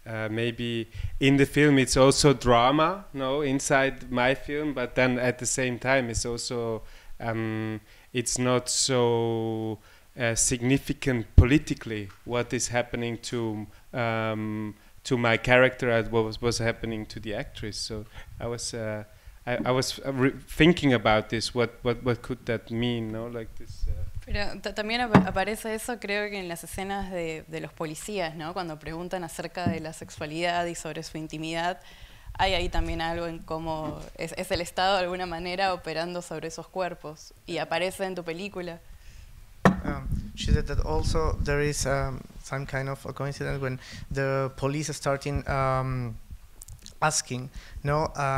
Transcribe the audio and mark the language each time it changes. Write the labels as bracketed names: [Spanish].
[English] maybe in the film it's also drama, no, inside my film, but then at the same time it's also it's not so significant politically what is happening to my character and what was happening to the actress. So I was thinking about this, what could that mean, no, like this [Spanish] Pero también aparece eso, creo que en las escenas de los policías, ¿no? Cuando preguntan acerca de la sexualidad y sobre su intimidad, hay ahí también algo en cómo es el Estado de alguna manera operando sobre esos cuerpos y aparece en tu película. [English] She said that also there is some kind of a coincidence when the police are starting asking, ¿no?